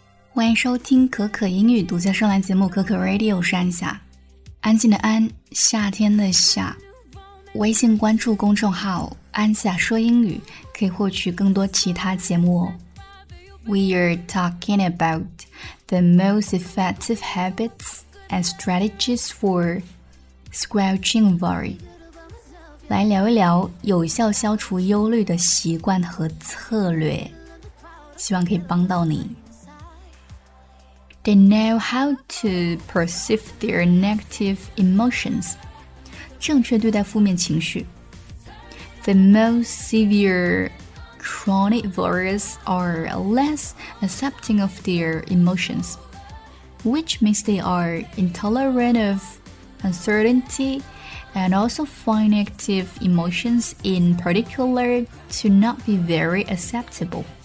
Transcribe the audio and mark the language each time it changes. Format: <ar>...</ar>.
<zh>欢迎收听可可英语独家专栏节目可可 Radio， 我是安夏，安静的安，夏天的夏。微信关注公众号安夏说英语，可以获取更多其他节目哦。</zh> <en>We are talking about the most effective habits and strategies for squelching worry.</en> <zh>来聊一聊有效消除忧虑的习惯和策略，希望可以帮到你。</zh> <en>They know how to perceive their negative emotions.</en> <zh>正确对待负面情绪。</zh> <en>The most severe chronic worries are less accepting of their emotions, which means they are intolerant of uncertainty and also find negative emotions in particular to not be very acceptable.</en>